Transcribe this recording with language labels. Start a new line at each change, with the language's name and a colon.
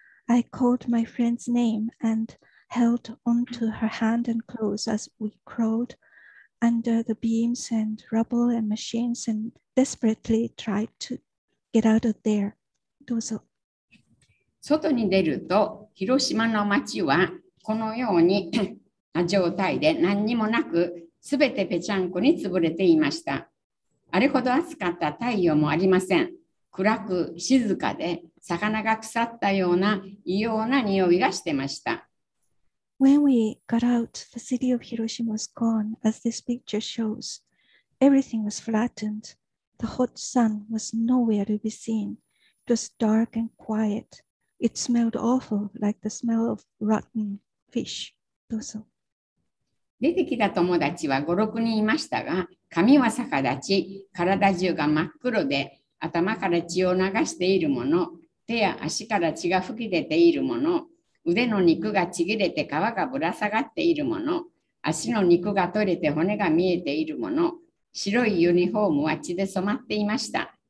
English: I called my friend's name and held onto her hand and clothes as we crawled. Under the beams and rubble and machines and desperately tried to get out of there.
Japanese: どうぞ。外に出ると、広島の町はこのように状態で何にもなく、すべてぺちゃんこに潰れていました。あれほど暑かった太陽もありません。暗く静かで、魚が腐ったような異様な匂いがしてました。
English: When we got out, the city of Hiroshima was gone, as this picture shows. Everything was flattened. The hot sun was nowhere to be seen. It was dark and quiet. It smelled awful, like the smell of rotten fish.
Japanese: どうぞ。出てきた友達は5、6人いましたが、髪は逆立ち、体中が真っ黒で、頭から血を流しているもの、手や足から血が吹き出ているもの、腕の肉がちぎれて皮がぶら下がっているもの、足の肉が取れて骨が見えているもの、白いユニフォームは血で染まっていました。